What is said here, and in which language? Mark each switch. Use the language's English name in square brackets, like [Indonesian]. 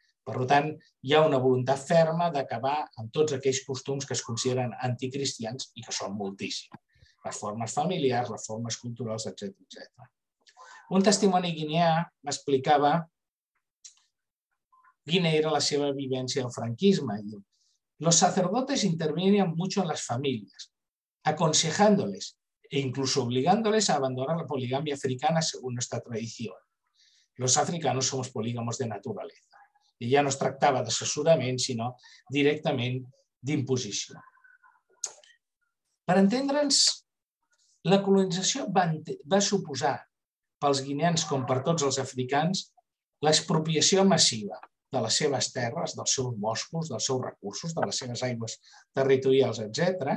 [Catalan] Per tant, hi ha una voluntat ferma d'acabar amb tots aquells costums que es consideren anticristians i que són moltíssims. Les formes familiars, les formes culturals, etc. Un testimoni guineà m'explicava quina era la seva vivència del franquisme. [Spanish] Los sacerdotes intervenían mucho en las familias, aconsejándoles e incluso obligándoles a abandonar la poligamia africana según nuestra tradición. Los africanos somos polígamos de naturaleza. Y ya [Catalan] no es tractava d'assessorament, sinó directament d'imposició. Per entendre'ns, la colonització va suposar pels guineans com per tots els africans l'expropiació massiva de les seves terres, dels seus boscos, dels seus recursos, de les seves aigües territorials, etc.